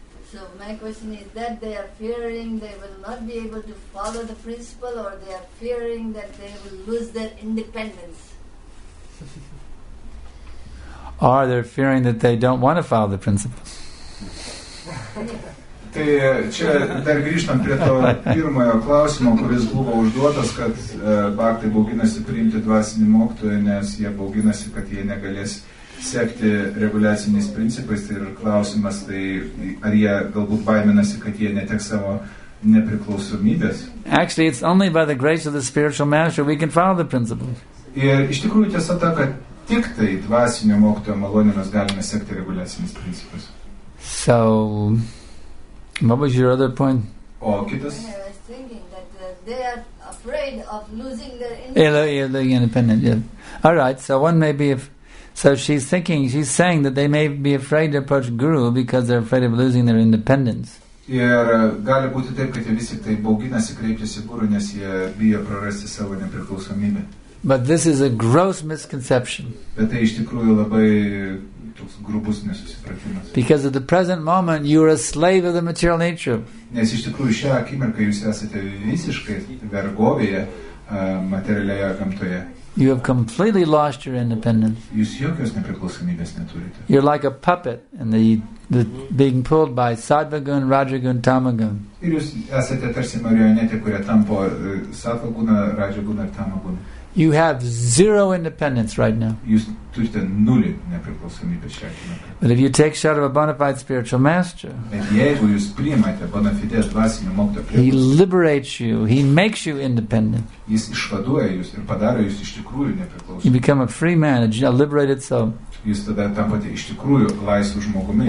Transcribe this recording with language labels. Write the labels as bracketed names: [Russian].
[English] So my question is that they are fearing they will not be able to follow the principle, or they are fearing that they will lose their independence? Are they fearing that they don't want to follow the principles? [Lithuanian] Tai čia dar grįžtam prie to pirmojo klausimo, kuris buvo užduotas, kad baktai bauginasi priimti dvasinį moktoją, nes jie bauginasi, kad jie negalės sekti reguliaciniais principais. Tai ir klausimas, tai ar jie galbūt baiminasi, kad jie neteks savo nepriklausomybės? [English] Actually, it's only by the grace of the spiritual master we can follow the principles. [Lithuanian] Ir iš tikrųjų tiesa ta, kad tik tai dvasinio mokytojo malonė mes galime sekti reguliacinis principus. [English] So, what was your other point? [Lithuanian] O kitas? [English] I was thinking that they are afraid of losing their independent. Yeah. All right, so one may be if... So she's saying that they may be afraid to approach Guru because they're afraid of losing their independence. [Lithuanian] Ir gali būti taip, kad jie visi tai bauginasi kreiptiesi Guru, nes jie bijo prarasti savo nepriklausomybę. [English] But this is a gross misconception. [Lithuanian] Bet tai iš tikrųjų labai toks grubus nesusipratimas. [English] Because at the present moment you are a slave of the material nature. [Lithuanian] Nes iš tikrųjų šią akimirką jūs esate visiškai vergovėje materialioje gamtoje. [English] You have completely lost your independence. [Lithuanian] Jūs jokios nepriklausomybės neturite. [English] You're like a puppet and the being pulled by sattva-gun, rajagun, tamagun. [Lithuanian] Ir jūs esate tarsi marionetė, kurią tampo sattva-guna, rajagun ar tamagun. [English] You have zero independence right now. [Lithuanian] Jūs turite nulį nepriklausomybės šią akimirką. [English] But if you take shelter of a bona fide spiritual master, [Lithuanian] jeigu jūs priimate bona fides dvasinio mokto priekus, [English] he liberates you, he makes you independent. [Lithuanian] Jis išvaduoja jūs ir padaro jūs iš tikrųjų nepriklausomus. [English] You become a free man, a liberated soul. [Lithuanian] Jūs tada tampate iš tikrųjų laisvu žmogumi.